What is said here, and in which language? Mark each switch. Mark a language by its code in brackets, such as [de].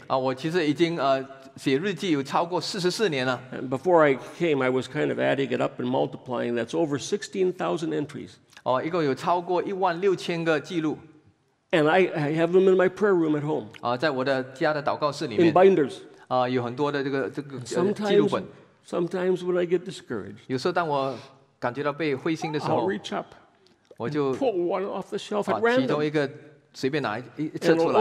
[zh] 我其实已经写日记有超过44年了。 [en] And before I came, I was kind of adding it up and multiplying. That's over 16,000 entries. [zh] 一共有超过16,000个记录。 [en] And I have them in my prayer room at home. [zh] 在我的家的祷告室里面。 [en] In binders. [zh] 有很多的这个记录本。 [en] Sometimes when I get discouraged, [zh] 有时候当我感觉到被灰心的时候 [en] ，I'll reach up, [zh] 我就 [en] pull one off the shelf at random. [zh] 其中一个随便拿一抽出来